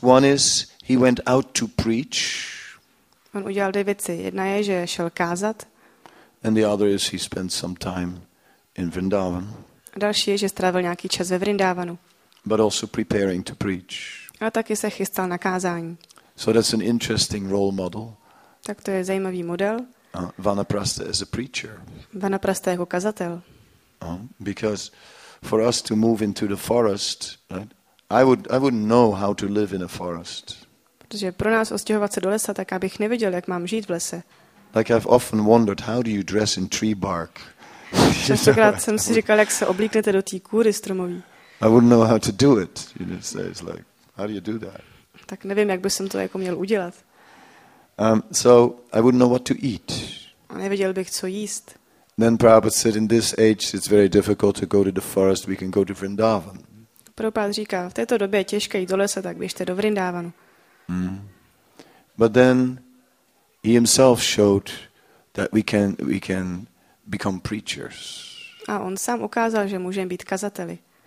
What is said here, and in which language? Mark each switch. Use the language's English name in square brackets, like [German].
[English] One is he went out to preach. [Czech] On udělal dvě věci. Jedna je, že šel kázat. [English] And the other is he spent some time in Vrindavan. [Czech] A další je, že strávil nějaký čas ve Vrindavanu. [English] But also preparing to preach. [Czech] A taky se chystal na kázání. [English] So that's an interesting role model. [Czech] Tak to je zajímavý model. [English] Vanaprastha as a preacher. [Czech] Vanaprastha jako kazatel. [English] Because for us to move into the forest, right? I wouldn't know how to live in a forest. [Czech] Protože pro nás odstěhovat se do lesa, tak abych nevěděl, jak mám žít v lese. [English] Like I've often wondered, how do you dress in tree bark? [Czech] Častokrát jsem si říkal, jak se oblíknete do té kůry stromové. [English] I wouldn't know how to do it. You know, so it's like, how do you do that? [Czech] Tak nevím, jak bych to jako měl udělat. [English] So I wouldn't know what to eat. [Czech] A nevěděl bych, co jíst. [English] Then Prabhupada said, in this age, it's very difficult to go to the forest. We can go to Vrindavan. [Czech] Prabhupád říká, v této době je těžké jít do lesa, tak běžte do Vrindavanu. Mm. [English] But then he himself showed that we can become preachers. [Czech] A on sám ukázal, že můžeme být kazateli.